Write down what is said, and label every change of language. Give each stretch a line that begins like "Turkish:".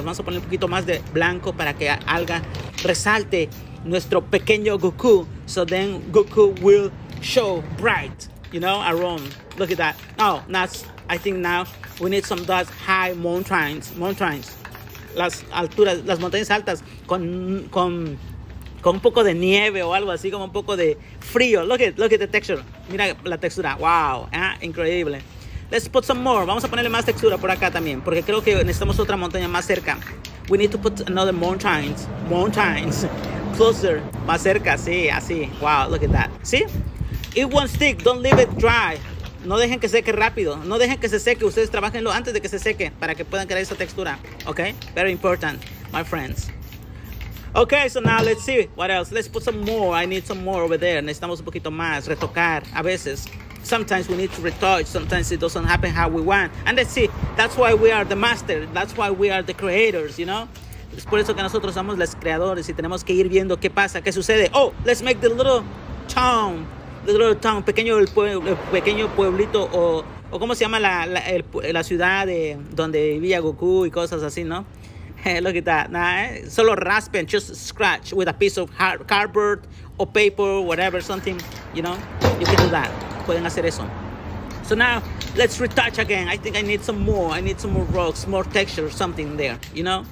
Spanish: Vamos a poner un poquito más de blanco para que alga resalte nuestro pequeño Goku.
English: So then Goku will show bright, you know, around. Look at that. Oh, that's, I think now we need some those high mountains. Mountains.
Spanish: Las alturas, las montañas altas con un poco de nieve o algo así, como un poco de frío.
English: Look at the texture.
Spanish: Mira la textura.
English: Wow, increíble. Let's put some more.
Spanish: Vamos a ponerle más textura por acá también, porque creo que necesitamos otra montaña más cerca.
English: We need to put another mountains. Mountains. Closer.
Spanish: Más cerca, sí, así.
English: Wow, look at that. See? It won't stick. Don't leave it dry.
Spanish: No dejen que seque rápido. No dejen que se seque. Ustedes trabajenlo antes de que se seque para que puedan crear esa textura.
English: Okay? Very important, my friends. Okay, so now let's see what else. Let's put some more. I need some more over there.
Spanish: Necesitamos un poquito más. Retocar a veces.
English: Sometimes we need to retouch. Sometimes it doesn't happen how we want. And let's see. That's why we are the master. That's why we are the creators, you know?
Spanish: Es por eso que nosotros somos los creadores y tenemos que ir viendo qué pasa, qué sucede.
English: Oh, let's make the little town. The little town.
Spanish: Pequeño pueblito o cómo se llama la ciudad de donde vivía Goku y cosas así, ¿no?
English: Look at that. Nah, eh?
Spanish: Solo raspen,
English: just scratch with a piece of cardboard or paper, whatever, something, you know? You can do that.
Spanish: Pueden hacer eso.
English: So now, let's retouch again. I think I need some more. I need some more rocks, more texture, something there, you know?